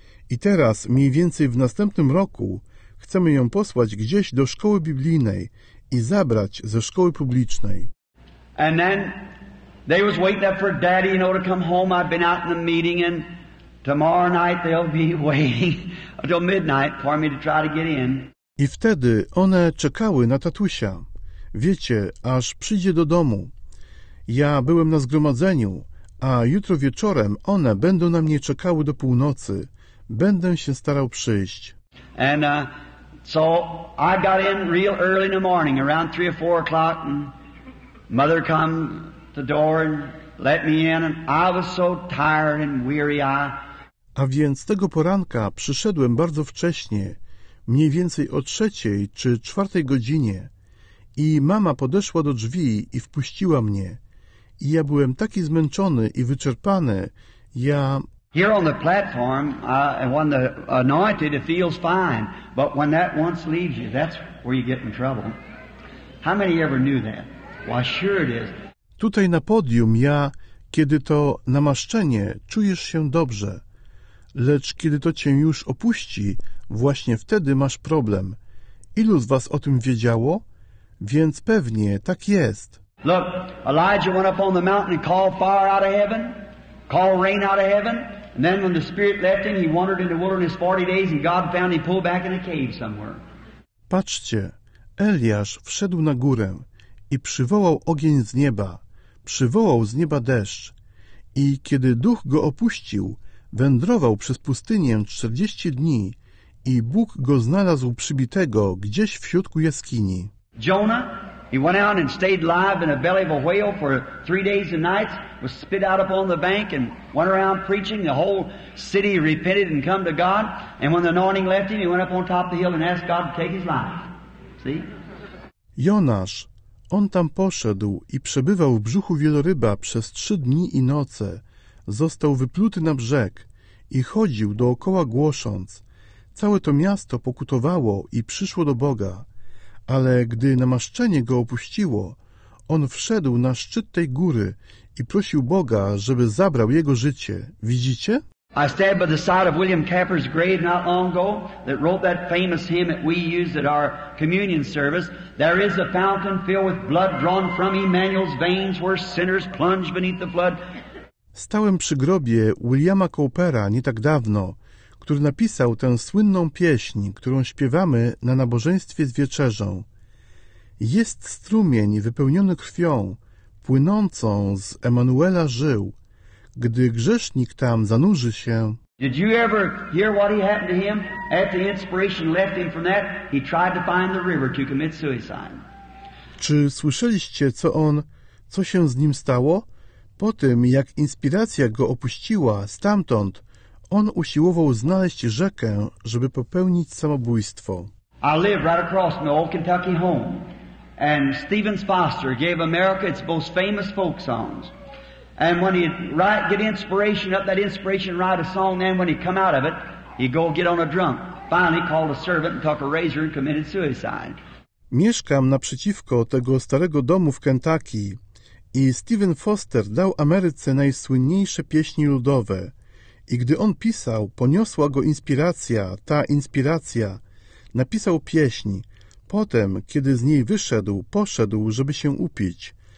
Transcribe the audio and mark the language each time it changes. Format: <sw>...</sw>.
<pl>I teraz, mniej więcej w następnym roku, chcemy ją posłać gdzieś do szkoły biblijnej i zabrać ze szkoły publicznej.</pl> <en>And then they was waiting up for daddy, you know, to come home. I've been out in the meeting, and tomorrow night they'll be waiting until midnight for me to try to get in.</en> <pl>I wtedy one czekały na tatusia. Wiecie, aż przyjdzie do domu. Ja byłem na zgromadzeniu, a jutro wieczorem one będą na mnie czekały do północy. Będę się starał przyjść.</pl> <en>And so I got in real early in the morning, around 3 or 4 o'clock, and mother come to the door and let me in, and I was so tired and weary.</en> <pl>A więc tego poranka przyszedłem bardzo wcześnie, mniej więcej o 3 czy 4 godzinie, i mama podeszła do drzwi i wpuściła mnie. I ja byłem taki zmęczony i wyczerpany, ja...</pl> <en>Here on the platform, when the anointed, it feels fine. But when that once leaves you, that's where you get in trouble. How many ever knew that? Why, sure it is.</en> <pl>Tutaj na podium ja, kiedy to namaszczenie czujesz się dobrze, lecz kiedy to cię już opuści, właśnie wtedy masz problem. Ilu z was o tym wiedziało? Więc pewnie tak jest.</pl> <en>Look, Elijah went up on the mountain and called fire out of heaven, called rain out of heaven, and then when the Spirit left him, he wandered in the wilderness 40 days and God found him pulled back in a cave somewhere.</en> <pl>Patrzcie, Eliasz wszedł na górę i przywołał ogień z nieba, przywołał z nieba deszcz i kiedy duch go opuścił, wędrował przez pustynię 40 dni i Bóg go znalazł przybitego gdzieś w środku jaskini.</pl> <en>Jonah, he went out and stayed alive in the belly of a whale for 3 days and nights, was spit out upon the bank and went around preaching. The whole city repented and come to God. And when the anointing left him, he went up on top of the hill and asked God to take his life. See?</en> <pl>Jonasz, on tam poszedł i przebywał w brzuchu wieloryba przez 3 dni i noce. Został wypluty na brzeg i chodził dookoła głosząc. Całe to miasto pokutowało i przyszło do Boga. Ale gdy namaszczenie go opuściło, on wszedł na szczyt tej góry i prosił Boga, żeby zabrał jego życie. Widzicie?</pl> <en>I stand by the side of William Capper's grave not long ago that wrote that famous hymn that we use at our communion service. There is a fountain filled with blood drawn from Emmanuel's veins where sinners plunge beneath the flood.</en> <pl>Stałem przy grobie Williama Coopera nie tak dawno, który napisał tę słynną pieśń, którą śpiewamy na nabożeństwie z wieczerzą. Jest strumień wypełniony krwią, płynącą z Emanuela żył. Gdy grzesznik tam zanurzy się...</pl> <en>Did you ever hear what happened to him? After inspiration left him from that, he tried to find the river to commit suicide.</en> <pl>Czy słyszeliście, co się z nim stało? Po tym, jak inspiracja go opuściła stamtąd, on usiłował znaleźć rzekę, żeby popełnić samobójstwo.</pl> <en>I live right across from the old Kentucky home. And Stephen Foster gave America its most famous folk songs. And when he'd write, get inspiration up that inspiration, write a song, then when he'd come out of it, he'd go get on a drunk. Finally called a servant and took a razor and committed suicide.</en> <pl>Mieszkam naprzeciwko tego starego domu w Kentucky. I Stephen Foster dał Ameryce najsłynniejsze pieśni ludowe. I gdy on pisał, poniosła go inspiracja, ta inspiracja. Napisał pieśń. Potem, kiedy z niej wyszedł, poszedł, żeby się upić.</pl>